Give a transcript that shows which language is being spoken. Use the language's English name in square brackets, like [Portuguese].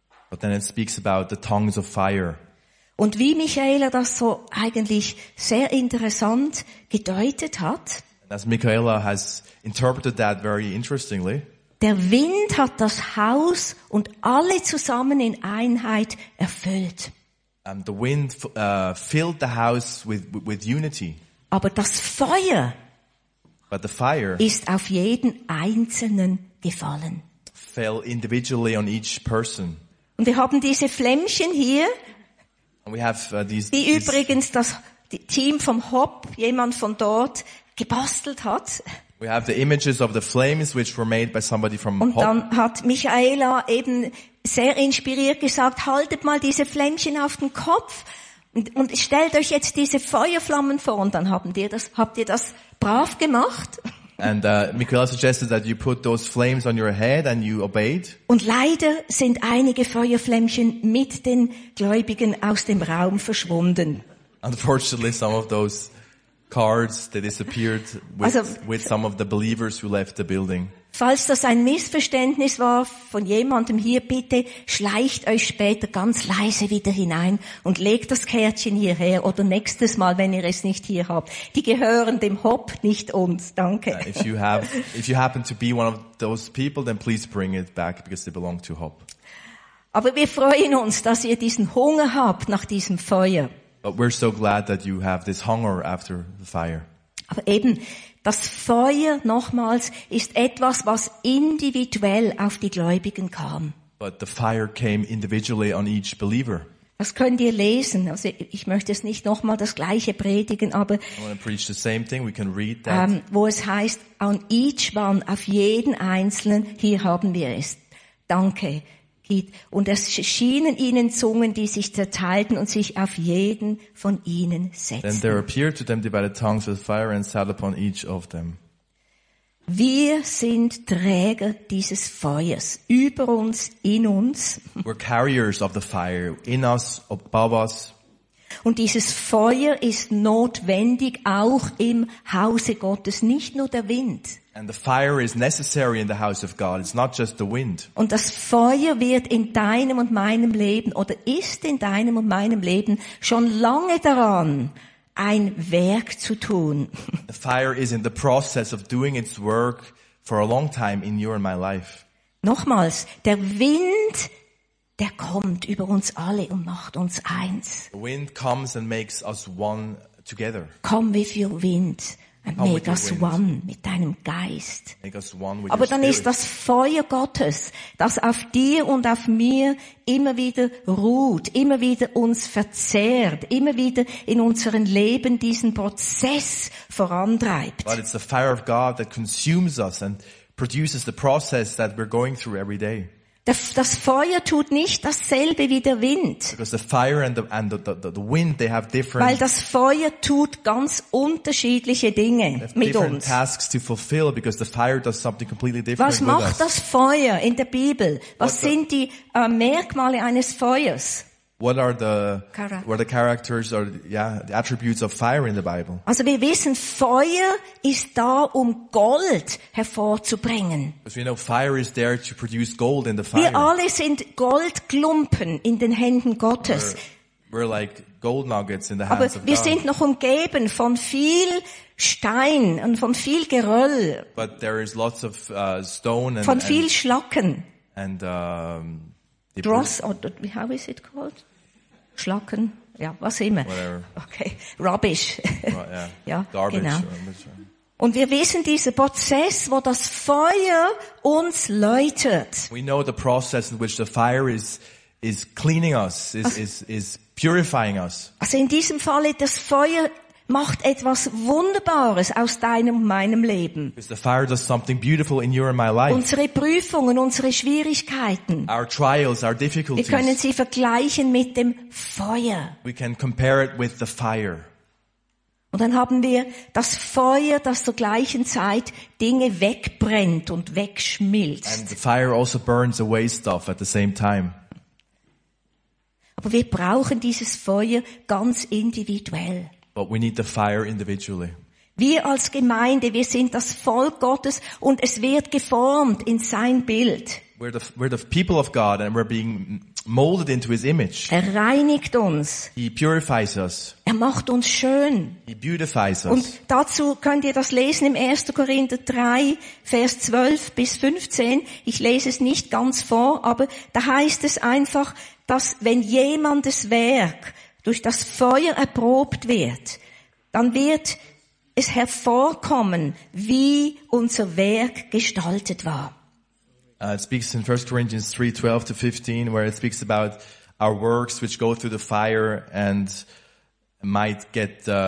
[English] But then it speaks about the tongues of fire. [German] Und wie Michaela das so eigentlich sehr interessant gedeutet hat, [English] as Michaela has interpreted that very interestingly, [German] der Wind hat das Haus und alle zusammen in Einheit erfüllt. [English] The wind filled the house with unity. [German] Aber das Feuer, [English] but the fire [German] ist auf jeden Einzelnen gefallen. [English] Fell individually on each person. [German] Und wir haben diese Flämmchen hier, [English] and we have, [German] die übrigens das Team vom Hop, jemand von dort, gebastelt hat. [English] We have the images of the flames which were made by somebody from [German] Und [English] Hop. [German] Dann hat Michaela eben sehr inspiriert gesagt, haltet mal diese Flämmchen auf den Kopf. Und stellt euch jetzt diese Feuerflammen vor, und dann habt ihr das brav gemacht. [English] And Michaela suggested that you put those flames on your head and you obeyed. [German] Und leider sind einige Feuerflämmchen mit den Gläubigen aus dem Raum verschwunden. [English] Unfortunately, some of those cards, they disappeared with some of the believers who left the building. [German] Falls das ein Missverständnis war von jemandem hier, bitte schleicht euch später ganz leise wieder hinein und legt das Kärtchen hierher, oder nächstes Mal, wenn ihr es nicht hier habt. Die gehören dem Hop, nicht uns. Danke. [English] If you happen to be one of those people, then please bring it back because they belong to Hop. [German] Aber wir freuen uns, dass ihr diesen Hunger habt nach diesem Feuer. [English] But we're so glad that you have this hunger after the fire. [German] Aber eben, das Feuer nochmals ist etwas, was individuell auf die Gläubigen kam. [English] But the fire came individually on each believer. [German] Das könnt ihr lesen. Also ich möchte es nicht nochmal das gleiche predigen, aber [English] I want to preach the same thing. We can read that. [German] Wo es heißt, [English] on each one, [German] auf jeden Einzelnen, hier haben wir es. Danke. geht. Und es schienen ihnen Zungen, die sich zerteilten und sich auf jeden von ihnen setzten. [English] Then there appeared to them divided tongues with fire and sat upon each of them. [German] Wir sind Träger dieses Feuers, über uns, in uns. [English] We're carriers of the fire, in us, above us. [German] Und dieses Feuer ist notwendig auch im Hause Gottes, nicht nur der Wind. [English] And the fire is necessary in the house of God. It's not just the wind. [German] Und das Feuer wird in deinem und meinem Leben oder ist in deinem und meinem Leben schon lange daran, ein Werk zu tun. [English] The fire is in the process of doing its work for a long time in you and my life. [German] Nochmals, der Wind, der kommt über uns alle und macht uns eins. [English] The wind comes and makes us one together. Come with your wind and make us one [German] mit deinem Geist. [English] Make us one with [German] Aber dann [English] spirit. [German] Ist das Feuer Gottes, das auf dir und auf mir immer wieder ruht, immer wieder uns verzehrt, immer wieder in unserem Leben diesen Prozess vorantreibt. [English] But it's the fire of God that consumes us and produces the process that we're going through every day. [German] Das Feuer tut nicht dasselbe wie der Wind. [English] Because the fire and the wind, they have different. [German] Weil das Feuer tut ganz unterschiedliche Dinge mit uns. [English] Different tasks to fulfill because the fire does something completely different. [German] Was macht das Feuer in der Bibel? Was sind die Merkmale eines Feuers? [English] What are the characters or the attributes of fire in the Bible? [German] Also wir wissen, Feuer ist da, um Gold hervorzubringen. [English] Because we know fire is there to produce gold in the fire. [German] Wir alle sind Goldklumpen in den Händen Gottes. [English] We're like gold nuggets in the hands [German] Aber Aber wir sind noch umgeben von viel Stein und von viel Geröll. [English] But there is lots of stone and [German] von viel Schlacken. [English] And Dross, or how is it called? [German] Schlacken, ja, was immer. [English] Whatever. Okay, rubbish. Well, yeah. [German] Ja, [English] garbage. [German] Genau. Und wir wissen diesen Prozess, wo das Feuer uns läutert. [English] We know the process in which the fire is cleaning us, is purifying us. [German] Also in diesem Falle, das Feuer macht etwas Wunderbares aus deinem und meinem Leben. [English] Because the fire does something beautiful in you and my life. [German] Unsere Prüfungen, unsere Schwierigkeiten. [English] Our trials, our difficulties. [German] Wir können sie vergleichen mit dem Feuer. [English] We can compare it with the fire. [German] Und dann haben wir das Feuer, das zur gleichen Zeit Dinge wegbrennt und wegschmilzt. [English] And the fire also burns away stuff at the same time. [German] Aber wir brauchen dieses Feuer ganz individuell. [English] But we need the fire individually. [German] Wir als Gemeinde, wir sind das Volk Gottes und es wird geformt in sein Bild. [English] We're the people of God and we're being molded into his image. [German] Er reinigt uns. [English] He purifies us. [German] Er macht uns schön. [English] He beautifies us. [German] Und dazu könnt ihr das lesen im 1. Korinther 3, Vers 12 bis 15. Ich lese es nicht ganz vor, aber da heißt es einfach, dass wenn jemandes Werk durch das Feuer erprobt wird, dann wird es hervorkommen, wie unser Werk gestaltet war. [English] It speaks in 1 Corinthians 3, 12 to 15, where it speaks about our works which go through the fire and might get